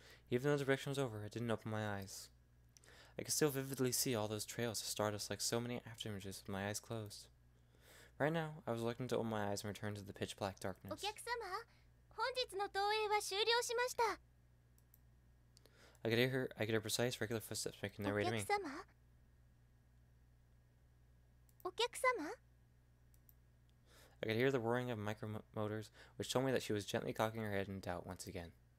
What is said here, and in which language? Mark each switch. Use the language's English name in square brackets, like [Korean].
[English] Even though the direction was over, I didn't open my eyes. I could still vividly see all those trails of stardust like so many afterimages with my eyes closed. Right now, I was looking to open my eyes and return to the pitch black darkness. [Japanese] お客様、本日の投影は終了しました。 [English] I could hear precise, regular footsteps making their way to me. [Japanese] お客様。お客様。 [English] I could hear the roaring of micro motors, which told me that she was gently cocking her head in doubt once again.